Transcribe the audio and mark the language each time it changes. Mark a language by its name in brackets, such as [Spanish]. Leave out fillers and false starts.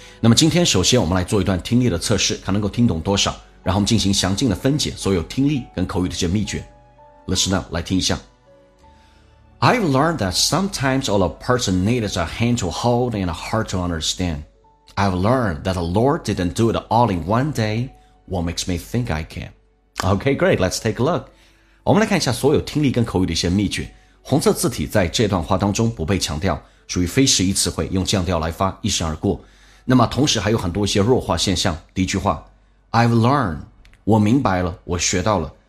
[Chinese] 那么今天首先我们来做一段听力的测试，看能够听懂多少，然后我们进行详尽的分解所有听力跟口语的这些秘诀。 [English] Listen up， [Chinese] 来听一下。 [English] I've learned that sometimes all a person needs is a hand to hold and a heart to understand. I've learned that the Lord didn't do it all in one day. What makes me think I can? Okay, great, let's take a look. [Chinese] 我们来看一下所有听力跟口语的一些秘诀。红色字体在这段话当中不被强调，属于非实义词汇，用降调来发，一闪而过。那么同时还有很多一些弱化现象。第一句话 [English] I've learned， [Chinese] 我明白了，我学到了。